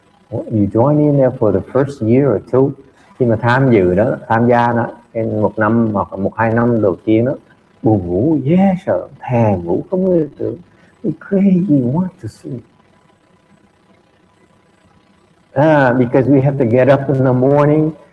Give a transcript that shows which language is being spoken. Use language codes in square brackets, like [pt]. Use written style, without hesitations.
[en] You join in there for the first year or two. [vi] Khi mà tham dự đó, tham gia đó, em một năm hoặc một hai năm đầu tiên đó, buồn ngủ, yes, thèm ngủ không ngơi tưởng. [en] We crave, we want to sleep. Because we have to get up in the morning.